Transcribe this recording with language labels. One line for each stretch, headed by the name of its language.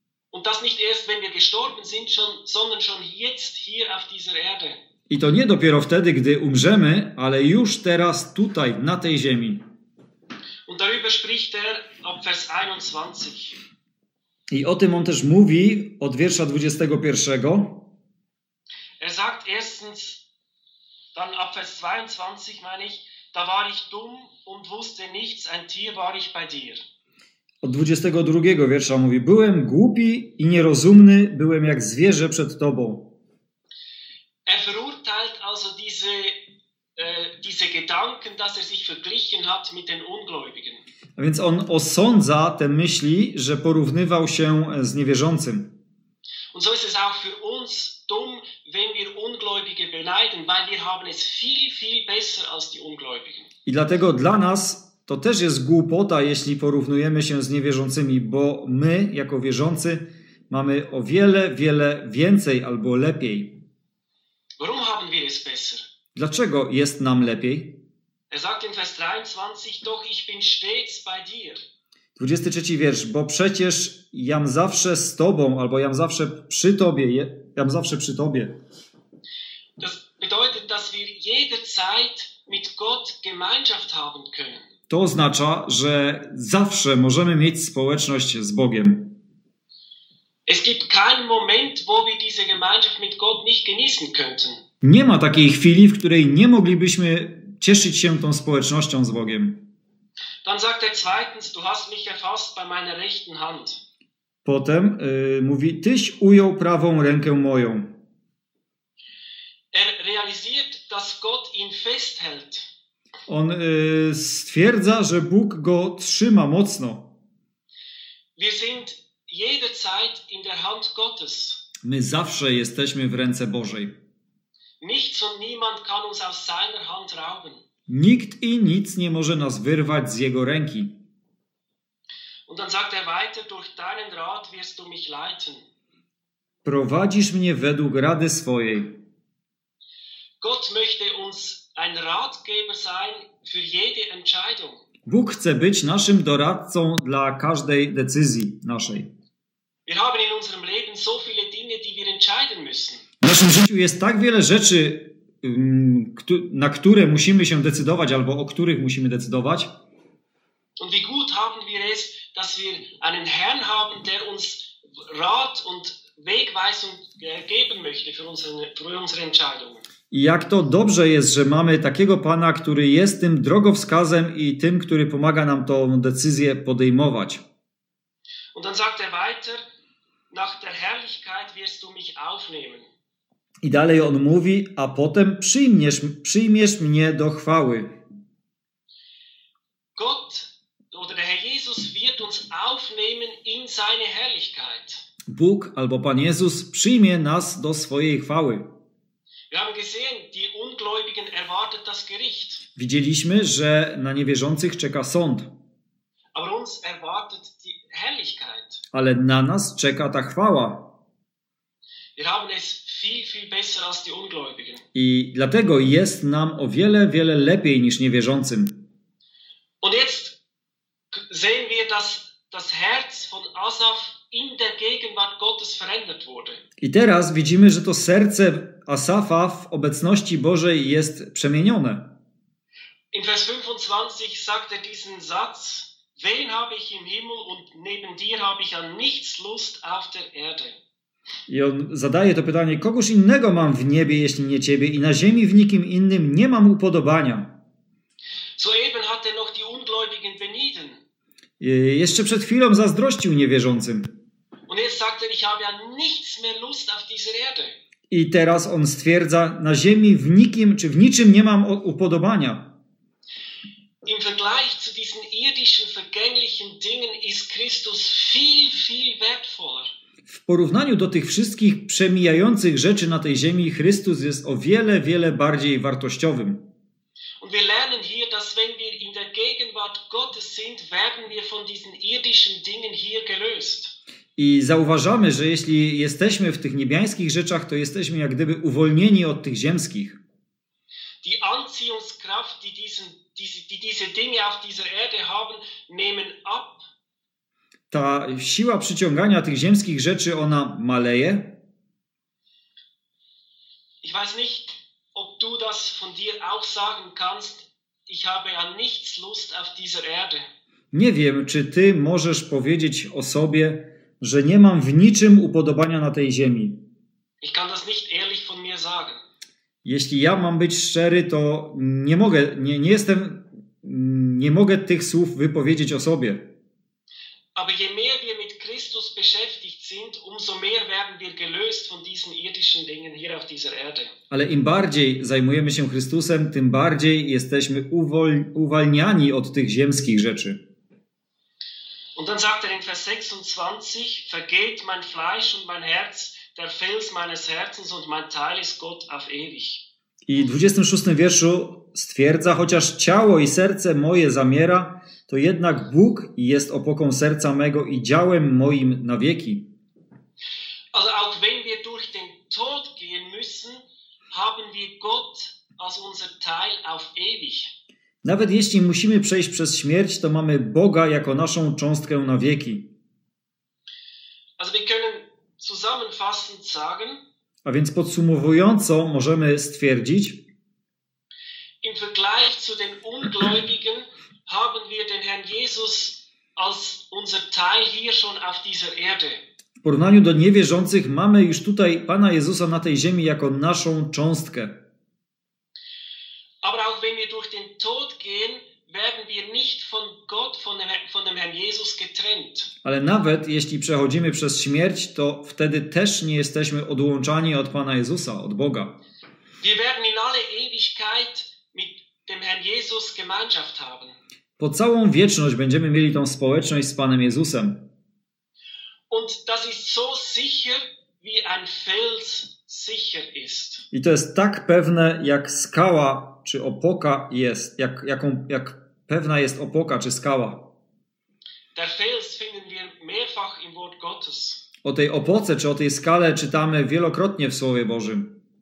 German: Und das nicht erst, wenn wir gestorben sind, sondern schon jetzt hier auf dieser Erde.
Polish: I to nie dopiero wtedy, gdy umrzemy, ale już teraz tutaj, na tej ziemi.
German: Und darüber spricht er ab Vers 21.
Polish: I o tym on też mówi od wiersza 21.
German: Er sagt erstens, dann ab Vers 22 meine ich, da war ich dumm und wusste nichts, ein Tier war ich bei dir.
Polish: Od 22 wiersza mówi, byłem głupi i nierozumny, byłem jak zwierzę przed tobą.
German: Er verurteilt also diese Gedanken, dass er sich verglichen hat mit den Ungläubigen.
Polish: A więc on osądza te myśli, że porównywał się z niewierzącym.
German: Und so ist es auch für uns dumm, wenn wir Ungläubige beneiden, weil wir haben es viel, viel besser als die Ungläubigen.
Polish: I dlatego dla nas to też jest głupota, jeśli porównujemy się z niewierzącymi, bo my, jako wierzący, mamy o wiele, wiele więcej albo lepiej.
German: Warum haben wir es besser?
Polish: Dlaczego jest nam lepiej?
German: Er sagt in Vers 23, doch ich bin stets bei dir.
Polish: 23 wiersz, bo przecież jam zawsze z tobą, albo jam zawsze przy tobie, jam zawsze przy tobie.
German: Das bedeutet, dass wir jederzeit mit Gott Gemeinschaft haben können.
Polish: To oznacza, że zawsze możemy mieć społeczność z Bogiem.
German: Es gibt keinen Moment, wo wir diese Gemeinschaft mit Gott nicht genießen könnten.
Polish: Nie ma takiej chwili, w której nie moglibyśmy cieszyć się tą społecznością z Bogiem.
German: Dann sagt er zweitens, du hast mich erfasst bei meiner rechten Hand.
Polish: Potem mówi, tyś ujął prawą rękę moją.
German: Er realisiert, dass Gott ihn festhält.
Polish: On stwierdza, że Bóg go trzyma mocno.
German: Wir sind jederzeit in der Hand Gottes.
Polish: My zawsze jesteśmy w ręce Bożej.
German: Nichts und niemand kann uns aus seiner Hand rauben.
Polish: Nikt i nic nie może nas wyrwać z jego ręki.
German: Und dann sagt er weiter, durch deinen Rat wirst du mich leiten.
Polish: Prowadzisz mnie według rady swojej.
German: Gott möchte uns ein Ratgeber sein für jede Entscheidung.
Polish: Bóg chce być naszym doradcą dla każdej decyzji naszej.
German: Wir haben in unserem Leben so viele Dinge, die wir entscheiden müssen.
Polish: W naszym życiu jest tak wiele rzeczy, na które musimy się decydować albo o których musimy decydować.
German: Und wie gut haben wir es, dass wir einen Herrn haben, der uns Rat und Wegweisung geben möchte für unsere Entscheidungen.
Polish: I jak to dobrze jest, że mamy takiego Pana, który jest tym drogowskazem i tym, który pomaga nam tą decyzję podejmować.
German: Und dann sagt er weiter, nach der Herrlichkeit wirst du mich aufnehmen.
Polish: I dalej on mówi, a potem przyjmiesz mnie do chwały.
German: Gott, oder der Herr Jesus wird uns aufnehmen in seine Herrlichkeit.
Polish: Bóg albo Pan Jezus przyjmie nas do swojej chwały.
German: Wir haben gesehen, die Ungläubigen erwartet das Gericht.
Polish: Widzieliśmy, że na niewierzących czeka sąd.
German: Aber uns erwartet die Herrlichkeit.
Polish: Ale na nas czeka ta chwała.
German: Wir haben es viel, viel besser als die Ungläubigen.
Polish: I dlatego jest nam o wiele, wiele lepiej niż niewierzącym.
German: Und jetzt sehen wir, dass das Herz von Asaf in der Gegenwart Gottes verändert wurde.
Polish: I teraz widzimy, że to serce Asafa w obecności Bożej jest przemienione.
German: In Vers 25 sagt er diesen Satz: Wen habe ich im Himmel und neben dir habe ich an nichts Lust auf der Erde.
Polish: I on zadaje to pytanie: kogoż innego mam w niebie, jeśli nie ciebie, i na ziemi w nikim innym nie mam upodobania.
German: Soeben hat er noch die Ungläubigen benieden.
Polish: Jeszcze przed chwilą zazdrościł niewierzącym.
German: Und jetzt sagt er, ich habe an nichts mehr Lust auf dieser Erde.
Polish: I teraz on stwierdza: na ziemi w nikim czy w niczym nie mam upodobania.
German: Im Vergleich zu diesen irdischen vergänglichen Dingen ist Christus viel, viel wertvoller.
Polish: W porównaniu do tych wszystkich przemijających rzeczy na tej ziemi, Chrystus jest o wiele, wiele bardziej wartościowym.
German: Und wir lernen hier, dass wenn wir in der Gegenwart Gottes sind, werden wir von diesen irdischen Dingen hier gelöst.
Polish: I zauważamy, że jeśli jesteśmy w tych niebiańskich rzeczach, to jesteśmy jak gdyby uwolnieni od tych ziemskich.
German: Die Anziehungskraft, die diesen diese Dinge auf dieser Erde haben, nehmen ab.
Polish: Ta siła przyciągania tych ziemskich rzeczy, ona maleje.
German: Ich weiß nicht, ob du das von dir auch sagen kannst. Ich habe an nichts Lust auf dieser Erde.
Polish: Nie wiem, czy ty możesz powiedzieć o sobie, że nie mam w niczym upodobania na tej ziemi.
German: Ich kann das nicht ehrlich von mir sagen.
Polish: Jeśli ja mam być szczery, to nie mogę, nie jestem, nie mogę tych słów wypowiedzieć o sobie.
German: Aber je mehr wir mit Christus beschäftigt sind, umso mehr werden wir gelöst von diesen irdischen Dingen hier auf dieser Erde.
Polish: Ale im bardziej zajmujemy się Chrystusem, tym bardziej jesteśmy uwalniani od tych ziemskich rzeczy.
German: Und dann sagt er in Vers 26: Vergeht mein Fleisch und mein Herz. Der Fels meines Herzens und mein Teil ist Gott auf ewig.
Polish: I w 26 wierszu stwierdza: chociaż ciało i serce moje zamiera, to jednak Bóg jest opoką serca mego i działem moim na wieki.
German: Also auch wenn wir durch den Tod gehen müssen, haben wir Gott als unser Teil auf ewig.
Polish: Nawet jeśli musimy przejść przez śmierć, to mamy Boga jako naszą cząstkę na wieki.
German: Also wir können zusammenfassend sagen,
Polish: a więc podsumowująco możemy stwierdzić:
German: im Vergleich zu den Ungläubigen haben wir den Herrn Jesus als unser Teil hier schon auf dieser Erde.
Polish: W porównaniu do niewierzących mamy już tutaj Pana Jezusa na tej ziemi jako naszą cząstkę.
German: Aber auch wenn wir durch den Tod gehen, werden wir nicht von Gott, von dem Herrn Jesus getrennt.
Polish: Ale nawet jeśli przechodzimy przez śmierć, to wtedy też nie jesteśmy odłączani od Pana Jezusa, od Boga.
German: Wir werden in alle Ewigkeit mit dem Herrn Jesus Gemeinschaft haben.
Polish: Po całą wieczność będziemy mieli tą społeczność z Panem Jezusem.
German: Und das ist so sicher, wie ein Fels sicher ist.
Polish: I to jest tak pewne, jak skała czy opoka jest, jak pewna jest opoka czy skała.
German: Der Fels finden wir mehrfach im Wort Gottes.
Polish: O tej opoce czy o tej skale czytamy wielokrotnie w Słowie Bożym.